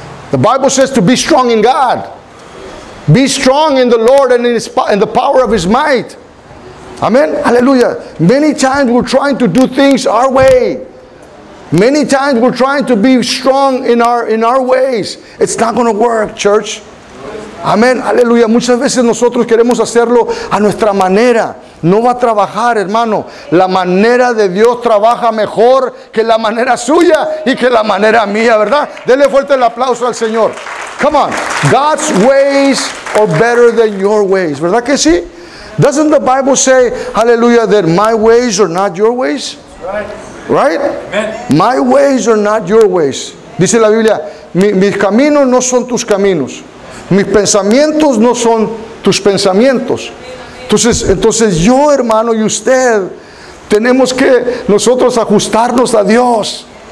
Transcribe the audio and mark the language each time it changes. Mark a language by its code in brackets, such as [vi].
[en] The Bible says to be strong in God. Be strong in the Lord and in the power of His might. Amen. Hallelujah. Many times we're trying to do things our way. Many times we're trying to be strong in our ways. It's not going to work, church. [es] Amén, aleluya. Muchas veces nosotros queremos hacerlo a nuestra manera. No va a trabajar, hermano. La manera de Dios trabaja mejor que la manera suya y que la manera mía, ¿verdad? Denle fuerte el aplauso al Señor. [en] Come on. God's ways are better than your ways. [es] ¿Verdad que sí? [en] Doesn't the Bible say, hallelujah, that my ways are not your ways? That's right. Right? Amen. My ways are not your ways. [es] Dice la Biblia, mis caminos no son tus caminos. Mis pensamientos no son tus pensamientos. Entonces yo, hermano, y usted, tenemos que nosotros ajustarnos a Dios.